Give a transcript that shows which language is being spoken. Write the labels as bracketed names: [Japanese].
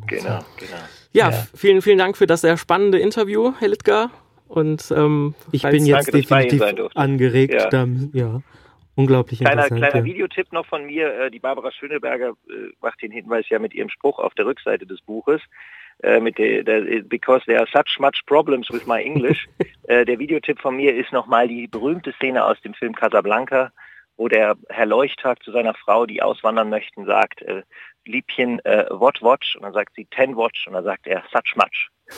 [German] Genau. Ja, vielen, vielen Dank für das sehr spannende Interview, Herr Littger. Und ich bin jetzt definitiv angeregt. Ja. Unglaublich interessant. Kleiner Videotipp noch von mir. Die Barbara Schöneberger macht den Hinweis ja mit ihrem Spruch auf der Rückseite des Buches. [English] Because there are such much problems with my English. [German] Der Videotipp von mir ist nochmal die berühmte Szene aus dem Film Casablanca, wo der Herr Leuchttag zu seiner Frau, die auswandern möchten, sagt, Liebchen, [English] what watch? [German] Und dann sagt sie, [English] 10 watch. [German] Und dann sagt er, [English] such much.